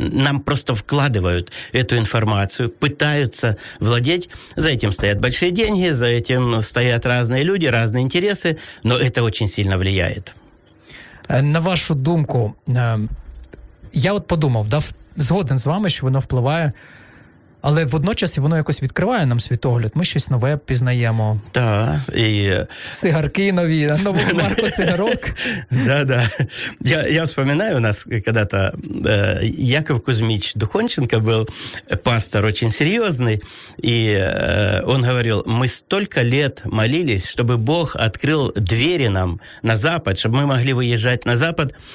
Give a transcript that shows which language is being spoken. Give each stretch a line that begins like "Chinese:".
Russian: Нам просто вкладывают эту информацию, пытаются владеть. За этим стоят большие деньги, за этим стоят разные люди, разные интересы, но это очень сильно влияет.
Ukrainian: На вашу думку,
Russian: я вот подумал, да, згоден с вами, что оно впливает.
Ukrainian: Але водночас воно якось відкриває нам світогляд. Ми щось нове пізнаємо. Да, і сигарки нові, нову марку сигарок. Да-да.
Russian: Я вспоминаю, у нас когда-то Яков Кузьмич Духонченко был пастор очень серьезный. И он говорил, мы столько лет молились, чтобы Бог открыл двери нам на Запад, чтобы мы могли выезжать на Запад.